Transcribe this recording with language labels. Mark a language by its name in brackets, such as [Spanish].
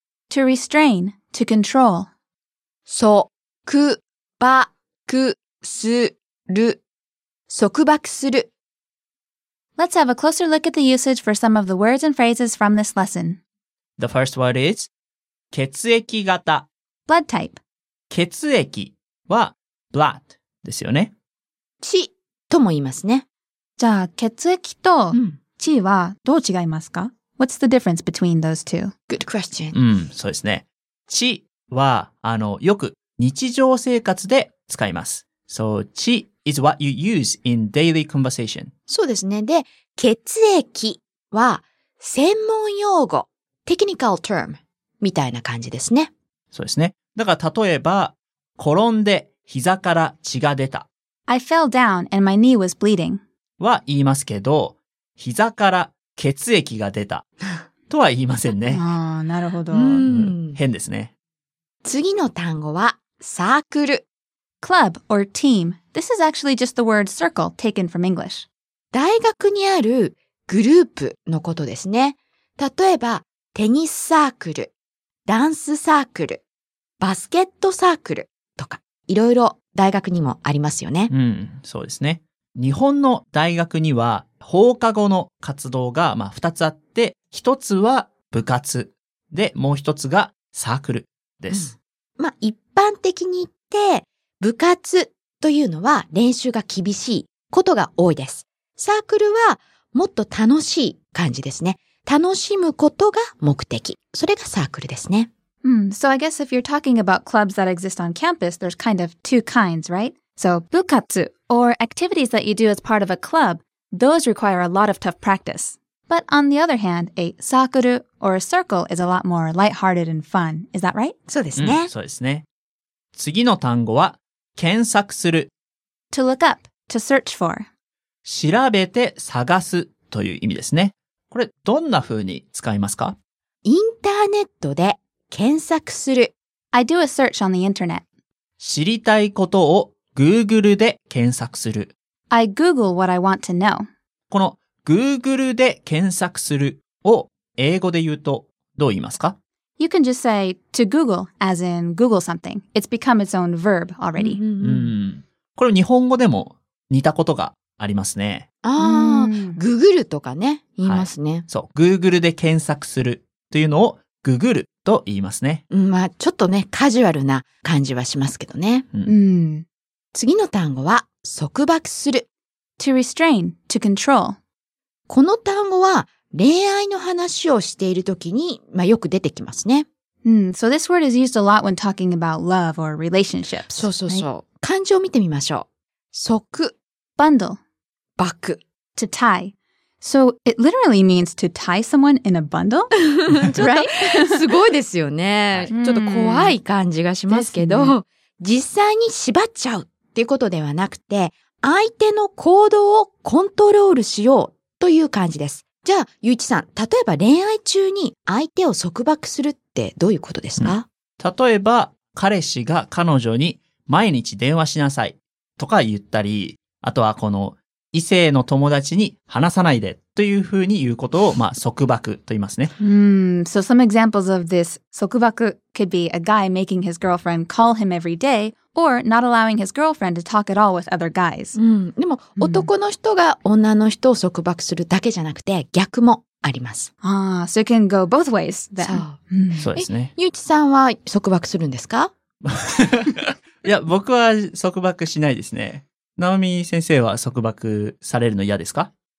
[English] To restrain, to control [Japanese] 束縛する束縛する [English] Let's have a closer look at the usage for some of the words and phrases from this lesson. The first word is 血液型 Blood type [Japanese] 血液は blood ですよね血とも言いますねじゃあ血液と血はどう違いますか、うん、 [English] What's the difference between those two? Good question. [Japanese] うん、そうですね。血はよく日常生活で使います。 [English] So, 血 is what you use in daily conversation. [Japanese] そうですね。で、血液は専門用語、technical term みたいな感じですね。そうですね。だから例えば、転んで膝から血が出た。 [English] I fell down and my knee was bleeding. [Japanese] は言いますけど、膝から血液が出たとは言いませんね。ああ、なるほど。変ですね。次の単語はサークル。 [English] Club or team. This is actually just the word circle taken from English. [Japanese] 大学にあるグループのことですね。例えば、テニスサークル、ダンスサークル、バスケットサークルとか、いろいろ大学にもありますよね。うん、そうですね。日本の大学には放課後の活動が2つあって、1つは部活で、もう1つがサークルです。うん、まあ一般的に言って、部活というのは練習が厳しいことが多いです。サークルはもっと楽しい感じですね。楽しむことが目的。それがサークルですね。 Mm. [English] So I guess if you're talking about clubs that exist on campus, there's kind of two kinds, right? So, 部活 or activities that you do as part of a club, those require a lot of tough practice. But on the other hand, a sakuru or a circle is a lot more lighthearted and fun. Is that right? [Japanese] そうですね。うん、そうですね。次の単語は、検索する。 [English] To look up, to search for. [Japanese] 調べて探すという意味ですね。これ、どんな風に使いますか？インターネットで検索する。 [English] I do a search on the internet. [Japanese] 知りたいことをGoogle で検索する。 [English] I Google what I want to know. [Japanese] この Google で検索するを英語で言うとどう言いますか [English] ?You can just say to Google as in Google something. It's become its own verb already. [Japanese] これ日本語でも似たことがありますね。ああ、Google とかね、言いますね。はい、そう、Google で検索するというのをググると言いますね。まあ、ちょっとね、カジュアルな感じはしますけどね。うん次の単語は、束縛する。 [English] To restrain, to control. [Japanese] この単語は、恋愛の話をしているときに、まあよく出てきますね。 [English] So this word is used a lot when talking about love or relationships. [Japanese] そうそうそう。 [English] Right? [Japanese] 漢字を見てみましょう。束。 [English] bundle. [Japanese] バック。 [English] to tie. So it literally means to tie someone in a bundle? right? [Japanese] すごいですよね。ちょっと怖い感じがしますけど。実際に縛っちゃうっていうことではなくて、相手の行動をコントロールしようという感じです。じゃあ、ゆういちさん、例えば恋愛中に相手を束縛するってどういうことですか、うん、例えば、彼氏が彼女に毎日電話しなさいとか言ったり、あとはこの異性の友達に話さないでというふうに言うことを、まあ、束縛と言いますね。 [English] So some examples of this 束縛 could be a guy making his girlfriend call him every day or not allowing his girlfriend to talk at all with other guys. [Japanese] でも、男の人が女の人を束縛するだけじゃなくて逆もあります。 [English] ああ、so it can go both ways then. [Japanese] そう、そうですね。ゆういちさんは束縛するんですか？いや、僕は束縛しないですね。ナオミ先生は束縛されるの嫌ですか？